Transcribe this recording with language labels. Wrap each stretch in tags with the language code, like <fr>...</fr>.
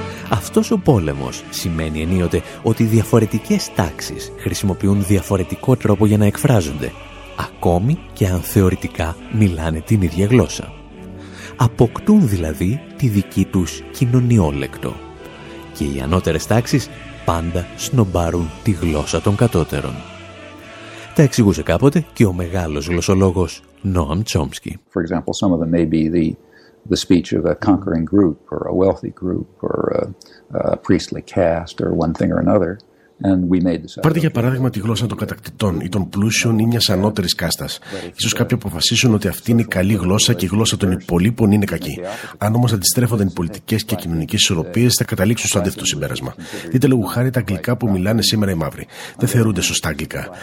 <el>Αυτός ο πόλεμος σημαίνει ενίοτε ότι διαφορετικές τάξεις χρησιμοποιούν διαφορετικό τρόπο για να εκφράζονται, ακόμη και αν θεωρητικά μιλάνε την ίδια γλώσσα. Αποκτούν δηλαδή τη δική τους κοινωνιόλεκτο. Και οι ανώτερες τάξεις πάντα σνομπάρουν τη γλώσσα των κατώτερων. Τα εξηγούσε κάποτε και ο μεγάλος γλωσσολόγος Νόαμ Τσόμσκι.</el> <en>For example, some of them may be the speech of a conquering group or a wealthy group or a priestly caste or one thing or another.</en> <el>Πάρτε για παράδειγμα τη γλώσσα των κατακτητών ή των πλούσιων ή μιας ανώτερης κάστας. Ίσως κάποιοι αποφασίσουν ότι αυτή είναι η καλή γλώσσα και η γλώσσα των υπολείπων είναι κακή. Αν όμως αντιστρέφονται οι πολιτικές και κοινωνικές ισορροπίες, θα καταλήξουν στο αντίθετο συμπέρασμα. Δείτε λόγου χάρη τα αγγλικά που μιλάνε σήμερα οι μαύροι. Δεν θεωρούνται σωστά αγγλικά.</el>